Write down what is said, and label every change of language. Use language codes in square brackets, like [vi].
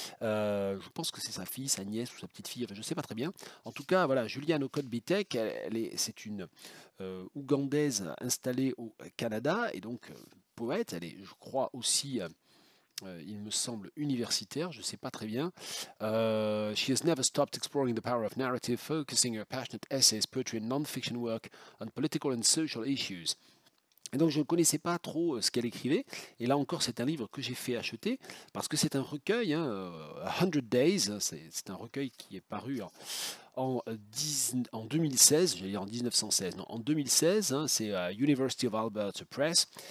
[fr] Je pense que c'est sa fille, sa nièce ou sa petite-fille, enfin, je ne sais pas très bien. En tout cas, voilà, Julian Okot-Bitek, c'est une Ougandaise installée au Canada, et donc poète, elle est, je crois, aussi, il me semble, universitaire, je ne sais pas très bien. [en] She has never stopped exploring the power of narrative, focusing her passionate essays, poetry and non-fiction work on political and social issues. [fr] Et donc, je ne connaissais pas trop ce qu'elle écrivait. Et là encore, c'est un livre que j'ai fait acheter parce que c'est un recueil, hein, 100 Days, c'est un recueil qui est paru en 2016, j'allais dire en 1916, non, en 2016, hein, c'est University of Alberta Press.